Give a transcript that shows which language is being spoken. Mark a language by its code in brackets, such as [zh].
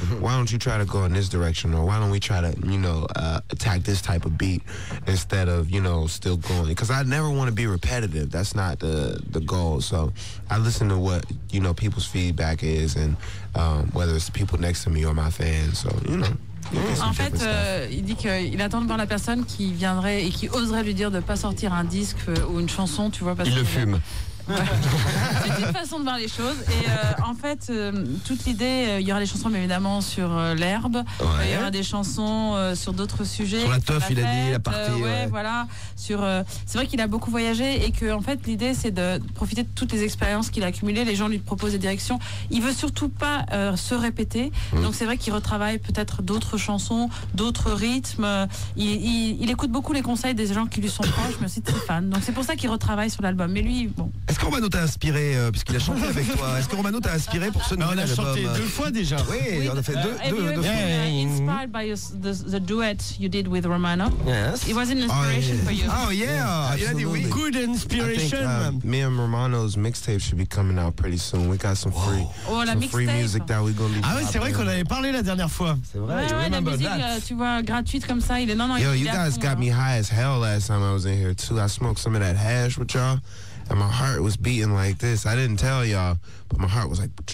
[en] Why don't you try to go in this direction? Or why don't we try to, you know, attack this type of beat instead of, you know, still going? Because I never want to be repetitive. That's not the goal. So I listen to what, you know, people's feedback is, and whether it's the people next to me or my fans. So, you know. [fr] En fait, il dit qu'il attend de voir la personne qui viendrait et qui oserait lui dire de ne pas sortir un disque ou une chanson, tu vois. Parce il le fume. Ouais. C'est une façon de voir les choses. Et en fait, toute l'idée, il y aura des chansons, mais évidemment, sur l'herbe. Ouais. Il y aura des chansons sur d'autres sujets. Sur la teuf, il a dit, la partie. Ouais, voilà. C'est vrai qu'il a beaucoup voyagé et que, en fait, l'idée, c'est de profiter de toutes les expériences qu'il a accumulées. Les gens lui proposent des directions. Il veut surtout pas se répéter. Donc, c'est vrai qu'il retravaille peut-être d'autres chansons, d'autres rythmes. Il écoute beaucoup les conseils des gens qui lui sont proches, mais aussi de ses fans. Donc, c'est pour ça qu'il retravaille sur l'album. Mais lui, bon. Est-ce que Romano t'a inspiré, puisqu'il a chanté avec toi, est-ce que Romano t'a inspiré pour ce nouvel album? On a chanté deux fois déjà. Oui, on a fait deux fois. [en] Inspired by the duet you did with Romano. Yes. It was an inspiration for you. Oh yeah, absolutely. Good inspiration. I think, me and Romano's mixtape should be coming out pretty soon. We got some free, free music that we're going to be dropping. [fr] Ah oui, c'est vrai qu'on avait parlé la dernière fois. C'est vrai, ouais, la musique, tu vois, gratuite comme ça, il est... [en] Yo, you guys got me high as hell last time I was in here too. I smoked some of that hash with y'all. And my heart was beating like this. I didn't tell y'all, but my heart was like...